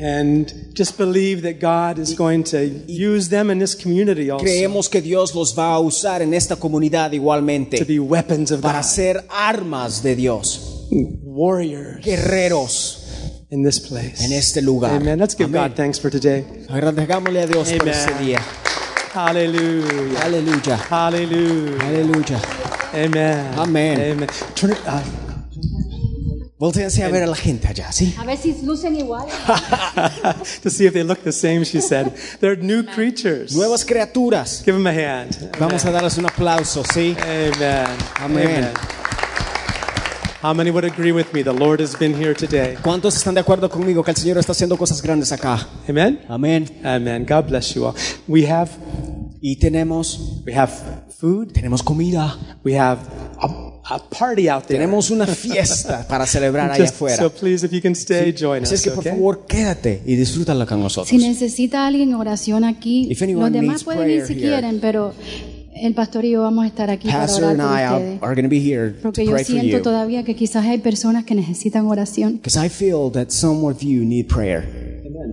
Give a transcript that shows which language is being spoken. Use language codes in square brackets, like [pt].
[en] And just believe that God is going to use them in this community also. [es] Creemos que Dios los va a usar en esta comunidad igualmente. [en] To be weapons of God. [es] Para ser armas de Dios. [en] Warriors. [es] Guerreros. [en] In this place. [es] En este lugar. [en] Amen. Let's give God thanks for today. [es] Agradezcámosle a Dios por este día. [en] Hallelujah. Hallelujah. Hallelujah. Hallelujah. Amen. Amen. Amen. Turn it up. [es] Voltéense a ver a la gente allá, ¿sí? A ver si lucen igual. [en] To see if they look the same, she said. They're new creatures. [es] Nuevas criaturas. [en] Give them a hand. [es] Vamos a darles un aplauso, ¿sí? [en] Amen. Amen. How many would agree with me? The Lord has been here today. [es] ¿Cuántos están de acuerdo conmigo que el Señor está haciendo cosas grandes acá? [en] Amen. Amen. Amen. God bless you all. We have. [es] Y tenemos. [en] We have food. [es] Tenemos comida. [en] We have a party out there. [es] Tenemos una fiesta para celebrar allá afuera. [en] So please, if you can stay, sí, join [es] así [en] us. [es] Es que, [en] okay? [es] Por favor, quédate y disfrútala con nosotros. Si necesita alguien oración aquí, los demás pueden ir si quieren, pero el pastor y yo vamos a estar aquí para orar con ustedes. [en] Are going to be here [es] porque yo siento todavía que quizás hay personas que necesitan oración. [en] Because I feel that some of you need prayer.